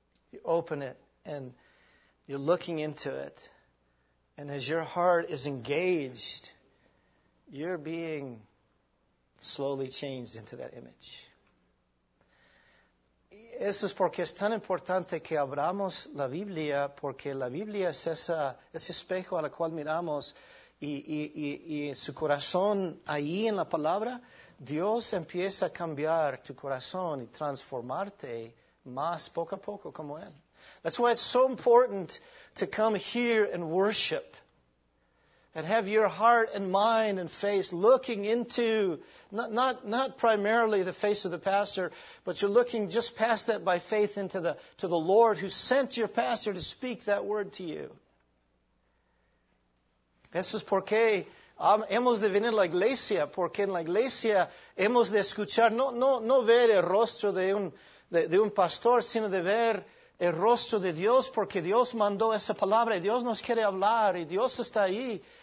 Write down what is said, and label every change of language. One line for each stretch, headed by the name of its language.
English: You open it and you're looking into it, and as your heart is engaged, you're being slowly changed into that image.
Spanish: Eso es porque es tan importante que abramos la Biblia, porque la Biblia es ese espejo a la cual miramos, y su corazón ahí en la palabra, Dios empieza a cambiar tu corazón y transformarte más poco a poco como Él.
English: That's why it's so important to come here and worship and have your heart and mind and face looking into, not primarily the face of the pastor, but you're looking just past that by faith into the Lord who sent your pastor to speak that word to you.
Spanish: Eso es porque hemos de venir a la iglesia, porque en la iglesia hemos de escuchar, no ver el rostro de un pastor, sino de ver el rostro de Dios, porque Dios mandó esa palabra y Dios nos quiere hablar y Dios está ahí.